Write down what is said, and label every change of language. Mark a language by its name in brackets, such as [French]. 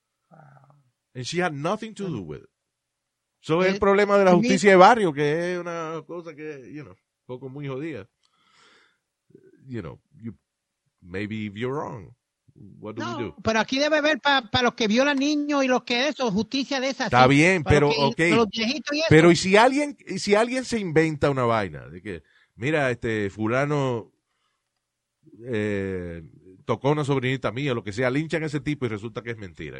[English] Wow. And she had nothing to do with it. [Spanish] So es el problema de la justicia de barrio, que es una cosa que, [English] you know, [Spanish] poco muy jodida. [English] You know, you, maybe if you're wrong, what do no, we do? [Spanish] Pero aquí debe haber para pa los que violan niños y los que eso, justicia de esas. Está bien, para pero, los que, okay. Los viejitos y eso. Pero, ¿y si alguien se inventa una vaina? De que, mira, este, fulano tocó una sobrinita mía, lo que sea, linchan a ese tipo y resulta que es mentira.